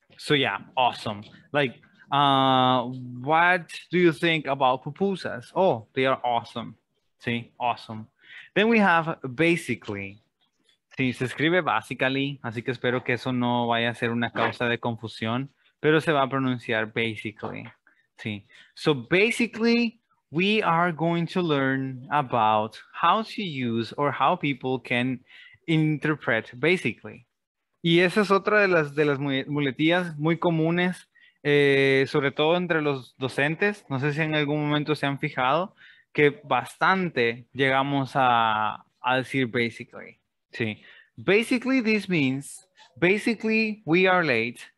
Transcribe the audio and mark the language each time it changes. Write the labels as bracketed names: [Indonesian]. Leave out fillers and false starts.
[English] So yeah, awesome. Like, what do you think about pupusas? Oh, they are awesome. Sí, awesome. Then we have basically. [Spanish] Sí, se escribe basically, así que espero que eso no vaya a ser una causa de confusión, pero se va a pronunciar basically. Sí. [English] So basically, we are going to learn about how to use or how people can interpret basically. [Spanish] Y esa es otra de las muletillas muy comunes, sobre todo entre los docentes. No sé si en algún momento se han fijado que bastante llegamos a decir basically. [English] Sí. Basically, this means basically we are late.